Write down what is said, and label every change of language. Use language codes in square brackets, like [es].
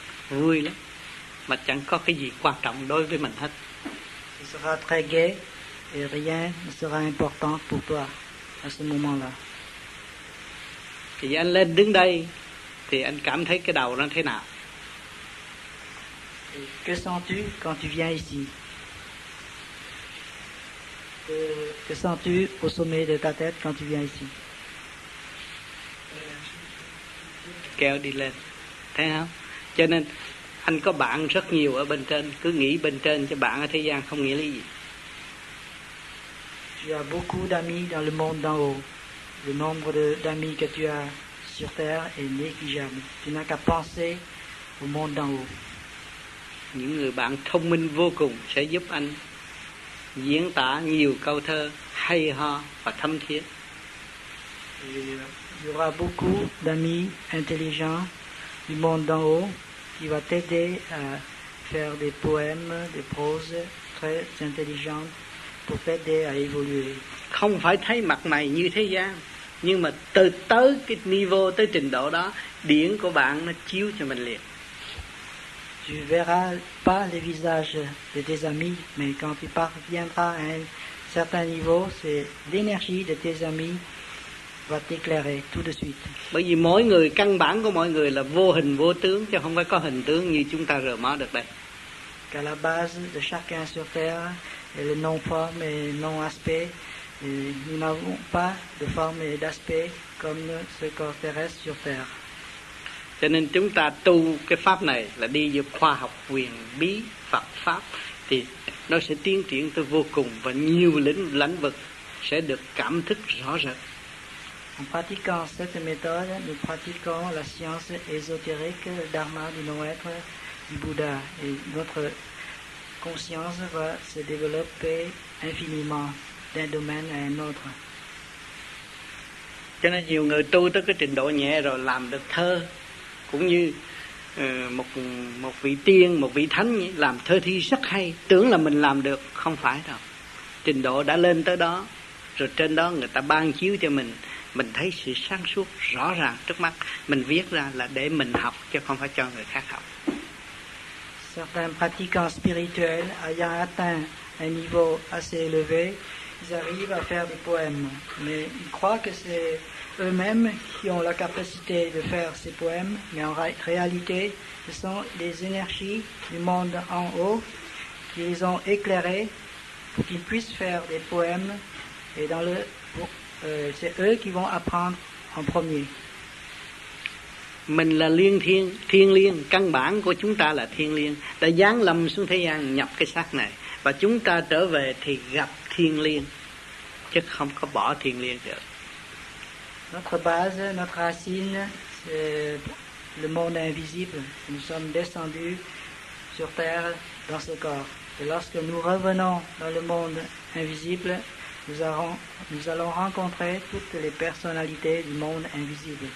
[vi] Vui lắm, mà chẳng có cái gì quan trọng đối với mình hết. [fr] Tu seras très gai et rien ne sera important pour toi à ce moment-là. [vi] Thì anh lên đứng đây, thì anh cảm thấy cái đầu nó thế nào? [fr] Que sens-tu quand tu viens ici? Que sens-tu au sommet de ta tête quand tu viens ici? [vi] Kéo đi lên, thấy không? Cho nên anh có bạn rất nhiều ở bên trên, cứ nghĩ bên trên cho bạn ở thế gian không nghĩ lý gì. [fr] Tu as beaucoup d'amis dans le monde d'en haut. Le nombre d'amis que tu as sur terre est négligeable. Tu n'as qu'à penser au monde d'en haut. [vi] Những người bạn thông minh vô cùng sẽ giúp anh diễn tả nhiều câu thơ hay ho và thâm thiết. [fr] Il y aura beaucoup d'amis intelligents du monde d'en haut qui va t'aider à faire des poèmes, des proses très intelligentes pour t'aider à évoluer. [vi] Không phải thấy mặt mày như thế gian, nhưng mà từ tới cái niveau, tới trình độ đó, điển của bạn nó chiếu cho mình liền. [fr] Tu verras pas les visages de tes amis, mais quand tu parviendras à un certain niveau, c'est l'énergie de tes amis va t'éclairer tout de suite. [vi] Bởi vì mỗi người, căn bản của mọi người là vô hình vô tướng, chứ không phải có hình tướng như chúng ta rờ mó được đây. [fr] Qu'à la base de chacun sur terre est le non-forme et non-aspect. Nous n'avons pas de forme et d'aspect comme ce corps terrestre sur terre. [vi] Cho nên chúng ta tu cái pháp này là đi vô khoa học quyền bí Phật pháp, thì nó sẽ tiến triển tới vô cùng và nhiều lĩnh vực sẽ được cảm thức rõ rệt. [fr] En pratiquant cette méthode, nous pratiquons la science ésotérique, le dharma du non-être du Bouddha, et notre conscience va se développer infiniment d'un domaine à un autre. [vi] Cho nên nhiều người tu tới cái trình độ nhẹ rồi làm được thơ, cũng như một vị tiên, một vị thánh làm thơ thi rất hay, tưởng là mình làm được, không phải đâu. Trình độ đã lên tới đó, rồi trên đó người ta ban chiếu cho mình thấy sự sáng suốt rõ ràng trước mắt, mình viết ra là để mình học, chứ không phải cho người khác học. [fr] Certains pratiquants spirituels ayant atteint un niveau assez élevé, ils arrivent à faire des poèmes, mais ils croient que c'est eux-mêmes qui ont la capacité de faire ces poèmes, mais en réalité, ce sont les énergies du monde en haut qui les ont éclairés pour qu'ils puissent faire des poèmes, et dans le, c'est eux qui vont apprendre en premier. [vi] Mình là liên thiên, thiên liên, căn bản của chúng ta là thiên liên, đã giáng lâm xuống thế gian nhập cái xác này, và chúng ta trở về thì gặp thiên liên, chứ không có bỏ thiên liên được. [fr] Notre base, notre racine, c'est le monde invisible. Nous sommes descendus sur terre dans ce corps. Et lorsque nous revenons dans le monde invisible, nous allons rencontrer toutes les personnalités du monde invisible.